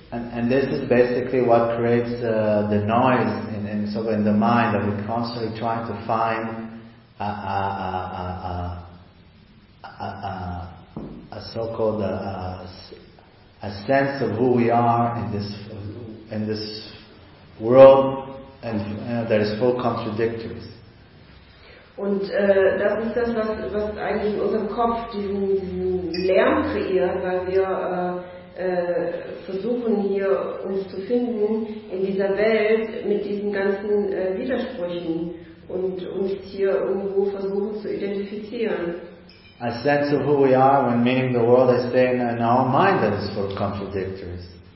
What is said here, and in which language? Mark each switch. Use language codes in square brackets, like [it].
[en] And this is basically what creates the noise in the mind, that we're constantly trying to find a sense of who we are in this world and that is full contradictory. [de] Und das ist das, was eigentlich in unserem Kopf diesen Lärm kreiert, weil wir versuchen hier uns zu finden in dieser Welt mit diesen ganzen Widersprüchen und uns hier irgendwo versuchen zu identifizieren. [en] A sense of who we are, when meaning the world is staying in our mind that is full of contradictories.